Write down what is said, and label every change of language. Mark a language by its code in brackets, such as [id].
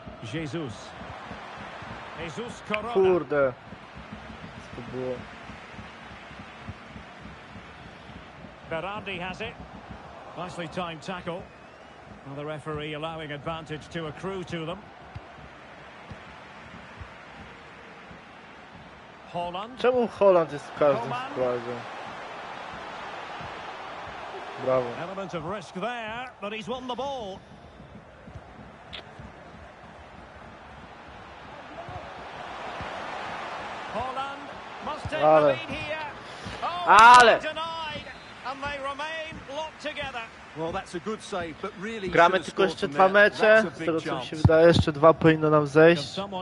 [en] Jesus. Jesus Corona. [pl] Kurde. [en] Berardi has it. Nicely timed tackle. Well, the referee allowing advantage to accrue to them. Haaland. [pl] Czemu Haaland jest w każdym składzie? Brawo. [en] Element of risk there, but he's won the ball. Haaland must take [pl] Ale. [en] The lead here. Oh, [pl] Ale. [en] Denied, and they remain locked together. Well, that's a good save, but really [pl] gramy tylko jeszcze dwa mecze. Z tego co mi się wydaje, jeszcze dwa powinno nam zejść.